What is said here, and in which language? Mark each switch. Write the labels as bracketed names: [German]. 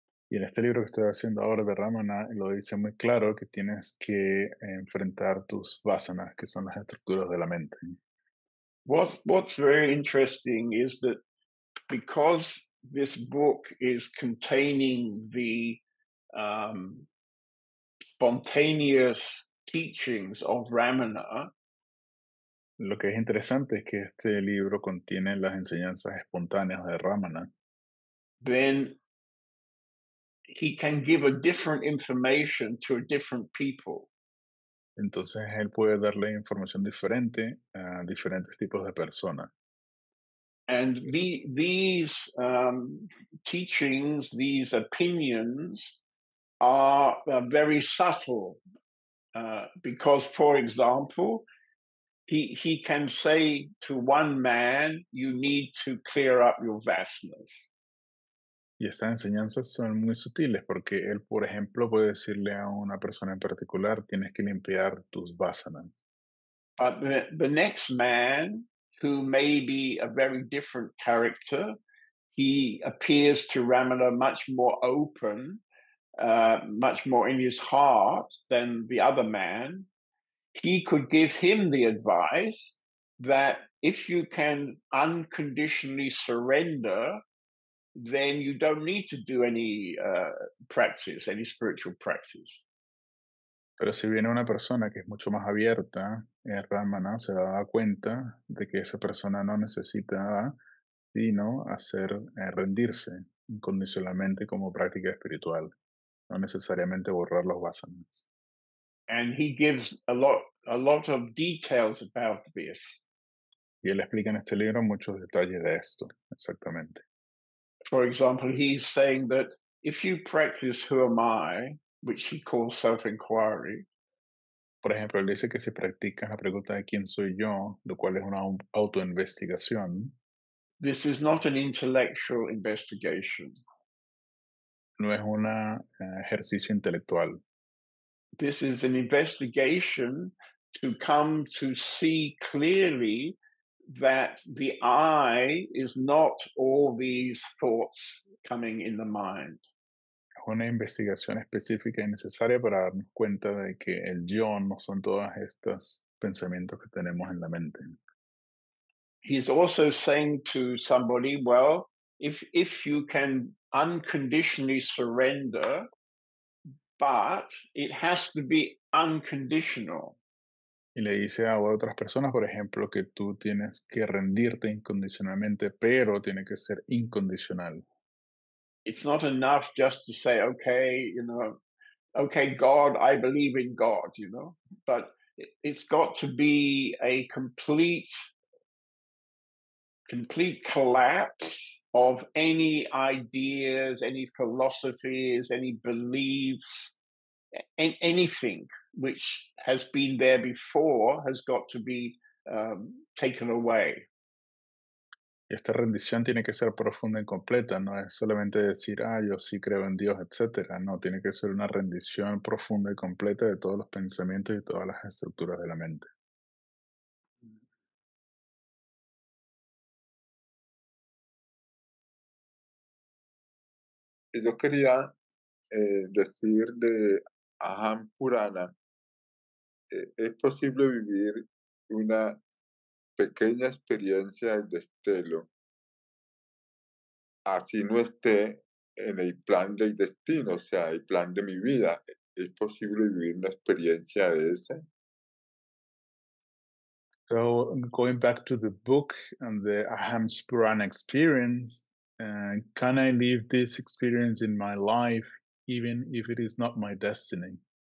[Spanish] Y en este libro que estoy haciendo ahora de Ramana, lo dice muy claro que tienes que enfrentar tus vasanas, que son las estructuras de la mente. [English] What's very interesting is that because this book is containing the spontaneous teachings of Ramana. [Spanish] Lo que es interesante es que este libro contiene las enseñanzas espontáneas de Ramana. [English] Then he can give a different information to a different people. [Spanish] Entonces él puede darle información diferente a diferentes tipos de personas. [English] And these teachings, these opinions, are very subtle. Because, for example, he can say to one man, you need to clear up your vastness. [Spanish] Y estas enseñanzas son muy sutiles porque él, por ejemplo, puede decirle a una persona en particular, tienes que limpiar tus vasanas. [English] But the next man, who may be a very different character, he appears to Ramana much more open, much more in his heart than the other man. He could give him the advice that if you can unconditionally surrender, then you don't need to do any practice, any spiritual practice. [Spanish] Pero si viene una persona que es mucho más abierta, Ramana se da cuenta de que esa persona no necesita sino hacer rendirse incondicionalmente como práctica espiritual, no necesariamente borrar los vasanas. [English] And he gives a lot of details about this. [Spanish] Y él explica en este libro muchos detalles de esto, exactamente. [English] For example, he's saying that if you practice who am I, which he calls self-inquiry. [Spanish] Por ejemplo, él dice que si practicas la pregunta de quién soy yo, lo cual es una autoinvestigación. [English] This is not an intellectual investigation. [Spanish] No es un ejercicio intelectual. [English] This is an investigation to come to see clearly that the I is not all these thoughts coming in the mind. [Spanish] Una investigación específica y necesaria para darnos cuenta de que el yo no son todos estos pensamientos que tenemos en la mente. [English] He's also saying to somebody, well, if you can unconditionally surrender, but it has to be unconditional. [Spanish] Y le dice a otras personas, por ejemplo, que tú tienes que rendirte incondicionalmente, pero tiene que ser incondicional. [English] It's not enough just to say, okay, you know, okay, God, I believe in God, you know, but it's got to be a complete collapse of any ideas, any philosophies, any beliefs, anything which has been there before has got to be taken away. [Spanish] Esta rendición tiene que ser profunda y completa, no es solamente decir, ah, yo sí creo en Dios, etc. No, tiene que ser una rendición profunda y completa de todos los pensamientos y todas las estructuras de la mente. Yo quería decir de Aham Purana, ¿es posible vivir una pequeña experiencia del destello, así no esté en el plan del destino, o sea, el plan de mi vida. ¿Es posible vivir una experiencia de esa? [English] So, going back to the book and the Aham Spuran experience, can I live this experience in my life, even if it is not my destiny?